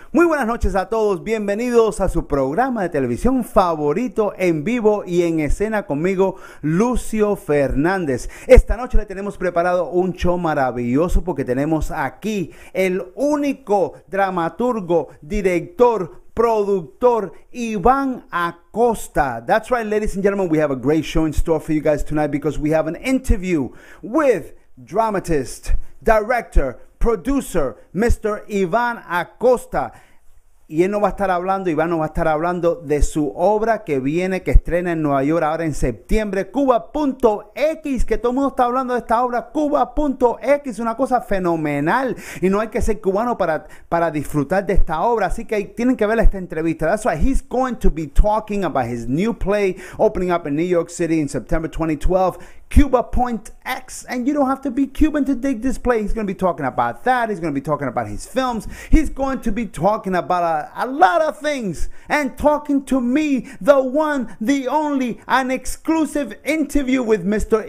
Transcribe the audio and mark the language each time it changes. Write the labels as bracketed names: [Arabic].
[Spanish] Muy buenas noches a todos, bienvenidos a su programa de televisión favorito en vivo y en escena conmigo, Lucio Fernandez. Esta noche le tenemos preparado un show maravilloso porque tenemos aquí el único dramaturgo, director, productor, Iván Acosta. [English] That's right, ladies and gentlemen, we have a great show in store for you guys tonight because we have an interview with dramatist, director, producer, Mr. Iván Acosta. [Spanish] Y él nos va a estar hablando, Iván nos va a estar hablando de su obra que viene, que estrena en Nueva York ahora en septiembre, Cuba.X, que todo el mundo está hablando de esta obra, Cuba.X, una cosa fenomenal, y no hay que ser cubano para disfrutar de esta obra, así que tienen que ver esta entrevista. [English] That's why he's going to be talking about his new play, opening up in New York City in September 2012, Cuba.X, and you don't have to be Cuban to dig this play. He's going to be talking about that. He's going to be talking about his films. He's going to be talking about a lot of things and talking to me, the one, the only, an exclusive interview with Mr.